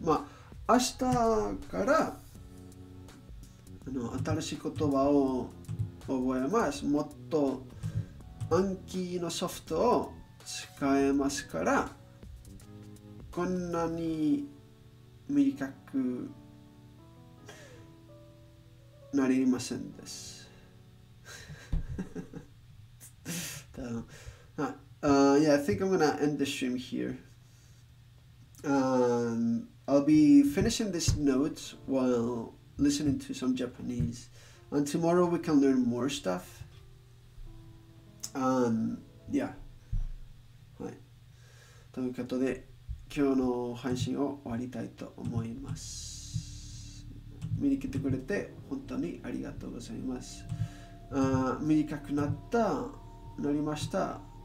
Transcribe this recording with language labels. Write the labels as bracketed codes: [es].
[ja] まあ明日から新しい言葉を覚えます。もっと暗記のソフトを使えますから、こんなに短くなりませんです。 [en] Yeah, I think I'm gonna end the stream here. I'll be finishing this note whileListening to some Japanese, and tomorrow we can learn more stuff. Yeah. [ja] はい。ということで、今日の配信を終わりたいと思います。見に来てくれて本当にありがとうございます。短くなった、なりました。